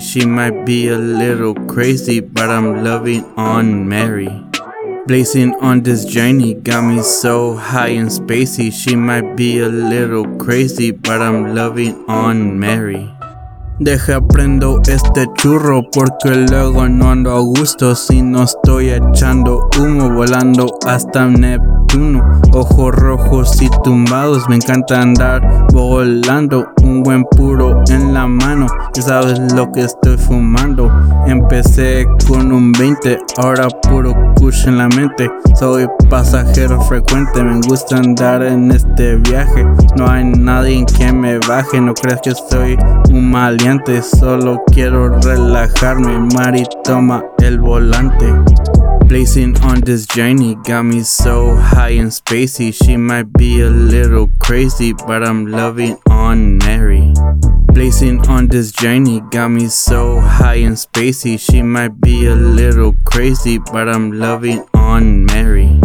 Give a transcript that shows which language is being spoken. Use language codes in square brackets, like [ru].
[en] She might be a little crazy, but I'm loving on Mary. Placing on this journey, got me so high and spacey. She might be a little crazy, but I'm loving on Mary. [es] Deja prendo este churro porque luego no ando a gusto. Si no estoy echando humo, volando hasta Neptuno. Ojos rojos y tumbados, me encanta andar volando. Un buen puro en la mano, ya sabes lo que estoy fumando. Empecé con un 20, ahora puro kush en la mente. Soy pasajero frecuente, me gusta andar en este viaje. No hay nadie que me baje, no creas que soy un maleante. Solo quiero relajarme, Mari, toma el volante. [en] Placing on this journey, got me so high and spacey. She might be a little crazy, but I'm loving on Mary. Placing on this journey, got me so high and spacey. She might be a little crazy, but I'm loving on Mary.